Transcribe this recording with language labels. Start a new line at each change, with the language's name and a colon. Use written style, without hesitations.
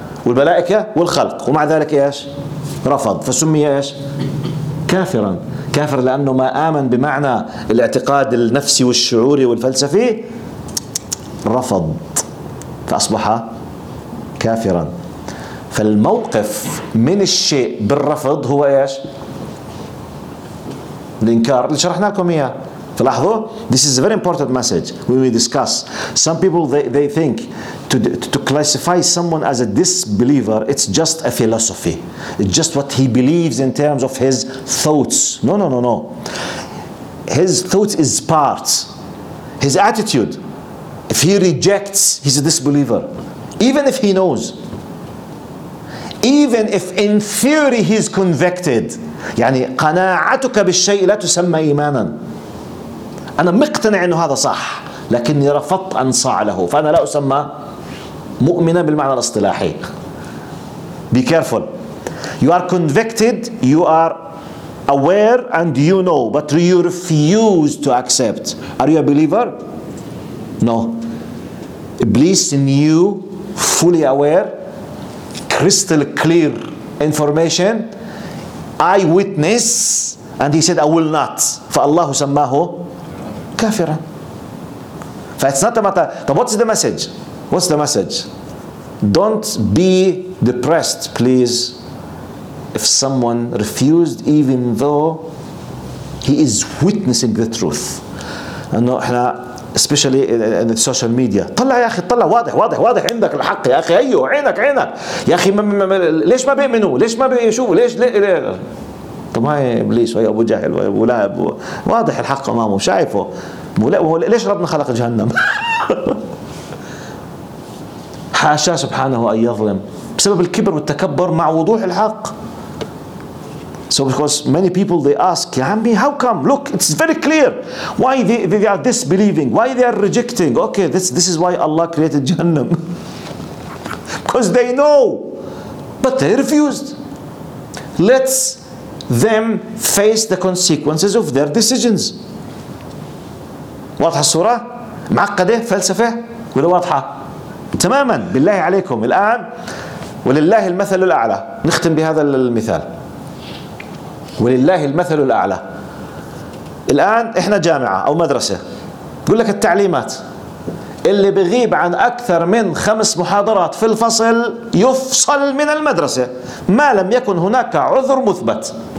Arabic: والملائكة والخلق، ومع ذلك إيش رفض، فسمي إيش كافرا، كافر لأنه ما آمن بمعنى الاعتقاد النفسي والشعوري والفلسفي، رفض فأصبح كافرا. فالموقف من الشيء بالرفض هو إيش؟ الإنكار اللي شرحنا لكم إياه.
English: فلاحظوا، this is a very important message when we discuss. Some people they think to classify someone as a disbeliever, it's just a philosophy, it's just what he believes in terms of his thoughts. No. His thoughts is part. His attitude. If he rejects, he's a disbeliever. Even if he knows. Even if in theory he's convicted.
Arabic: يعني قناعتك بالشيء لا تسمى إيمانا. أنا مقتنع أنه هذا صح، لكني رفضت أن صاع له، فأنا لا أسمى مؤمنا بالمعنى الاصطلاحي.
English: Be careful. You are convicted, you are aware and you know, but you refuse to accept. Are you a believer? No. Iblis knew, fully aware, crystal clear information, eyewitness, and he said, I will not.
Arabic: فالله سماه كافرا.
English: فإتس not a matter. طب what's the message? What's the message? Don't be depressed please if some one refused even though he is witnessing the truth. انه احنا especially in the social media.
Arabic: طلع يا أخي، طلع، واضح واضح واضح، عندك الحق يا أخي، أيوه عينك عينك يا أخي. ليش ما بيؤمنوا؟ ليش ما بيشوفوا؟ ليش طب هاي إبليس وهي أبو جهل وهي أبو لهب، واضح الحق أمامه، شايفه. ليش ربنا خلق جهنم؟ حاشا سبحانه أن يظلم بسبب الكبر والتكبر مع وضوح الحق.
English: So because many people they ask, Yami, how come? Look, it's very clear. Why they are disbelieving? Why they are rejecting? Okay, this is why Allah created Jahannam. Because they know, but they refused. Let's them face the consequences of their decisions.
Arabic: واضحة الصورة؟ معقدة فلسفة ولا واضحة؟ تماما. بالله عليكم الآن ولله المثل الأعلى. نختم بهذا المثال. ولله المثل الأعلى. الآن إحنا جامعة أو مدرسة، بقول لك التعليمات، اللي بغيب عن أكثر من 5 محاضرات في الفصل يفصل من المدرسة ما لم يكن هناك عذر مثبت.